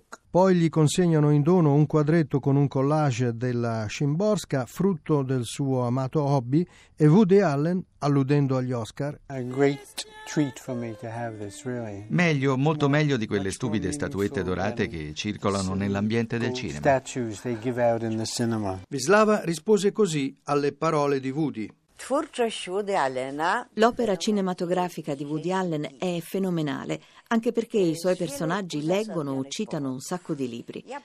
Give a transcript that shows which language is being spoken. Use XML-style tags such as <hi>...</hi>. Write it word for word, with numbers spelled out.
<it>Poi gli consegnano in dono un quadretto con un collage della Szymborska, frutto del suo amato hobby, e Woody Allen, alludendo agli Oscar,</it> <en>a great treat for me to have this, really.</en> <it>Meglio, molto meglio di quelle stupide statuette dorate che circolano nell'ambiente del cinema. Wisława rispose così alle parole di Woody. L'opera cinematografica di Woody Allen è fenomenale, anche perché i suoi personaggi leggono o citano un sacco di libri.</it>